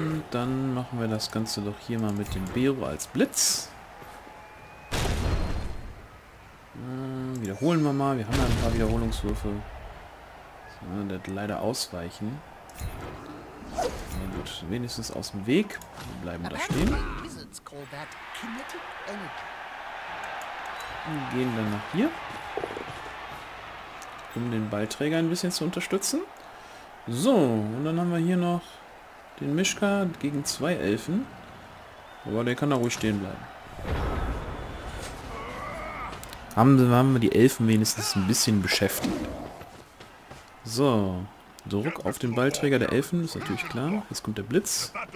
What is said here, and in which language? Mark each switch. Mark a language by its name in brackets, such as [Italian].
[German] Dann machen wir das Ganze doch hier mal mit dem Bero als Blitz. Wiederholen wir mal. Wir haben ja ein paar Wiederholungswürfe. So, das wird leider ausweichen. Na gut, wenigstens aus dem Weg. Wir bleiben da stehen. [English] Humans call that kinetic energy. [German] Wir gehen dann nach hier, um den Ballträger ein bisschen zu unterstützen. So, und dann haben wir hier noch den Mischka gegen zwei Elfen. Aber der kann da ruhig stehen bleiben. Haben wir die Elfen wenigstens ein bisschen beschäftigt. So, Druck auf den Ballträger der Elfen, ist natürlich klar. Jetzt kommt der Blitz.